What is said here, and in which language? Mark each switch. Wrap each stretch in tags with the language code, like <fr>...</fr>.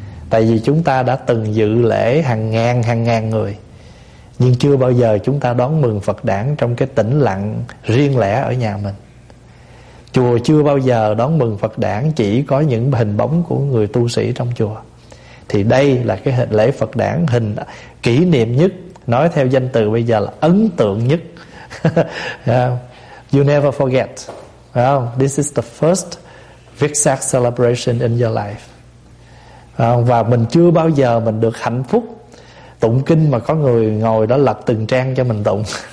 <vi>Tại vì chúng ta đã từng dự lễ hàng ngàn người, nhưng chưa bao giờ chúng ta đón mừng Phật đản trong cái tĩnh lặng riêng lẻ ở nhà mình. Chùa chưa bao giờ đón mừng Phật đản chỉ có những hình bóng của người tu sĩ trong chùa. Thì đây là cái lễ Phật đản hình kỷ niệm nhất, nói theo danh từ bây giờ là ấn tượng nhất.</vi> <en>You never forget. Well, this is the first Vesak celebration in your life.</en> <vi>Và mình chưa bao giờ mình được hạnh phúc tụng kinh mà có người ngồi đó lật từng trang cho mình tụng.</vi>